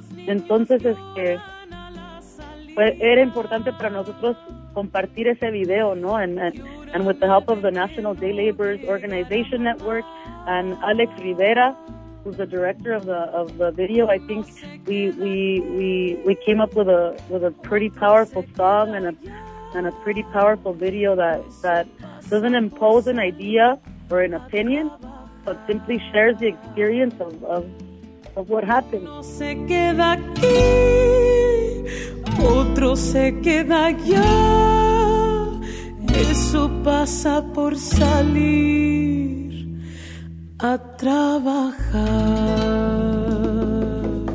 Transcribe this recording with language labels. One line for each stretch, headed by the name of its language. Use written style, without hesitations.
Spanish: Entonces, era importante para nosotros compartir ese video, ¿no?
English: And with the help of the National Day Laborers Organization Network and Alex Rivera, who's the director of the video, I think we came up with a pretty powerful song and a pretty powerful video that doesn't impose an idea or an opinion, but simply shares the experience of what happened.
Spanish: Otro se queda aquí, otro se queda allá, eso pasa por salir a trabajar.